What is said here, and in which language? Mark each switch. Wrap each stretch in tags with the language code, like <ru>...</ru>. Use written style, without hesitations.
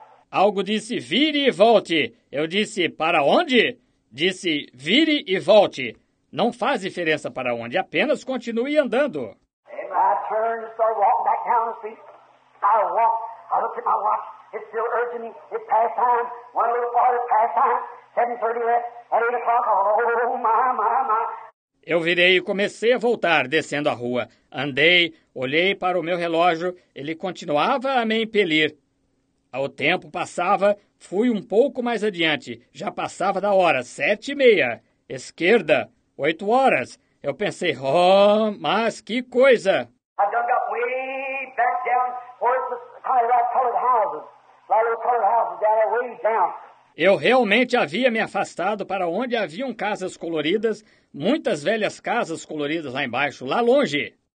<pt>Algo disse, vire e volte. Eu disse, para onde? Disse, vire e volte. Não faz diferença para onde, apenas continue andando. Amen.</pt> <en>turned and started walking back down the street. I walked. I looked at my watch. It's still urging me. It's past time. Went a little farther, past time. 7:30 left. At 8 o'clock. Oh, my, my, my.</en> <pt>Eu virei e comecei a voltar, descendo a rua. Andei, olhei para o meu relógio, ele continuava a me impelir. O tempo passava, fui um pouco mais adiante. Já passava da hora, 7:30. Esquerda, 8:00. Eu pensei, oh, mas que coisa!</pt> <en>I dug up way back down towards the kind of colored houses. A lot of colored houses down there, way down.</en> <pt>Eu realmente havia me afastado para onde haviam casas coloridas, muitas velhas casas coloridas lá embaixo, lá longe.</pt>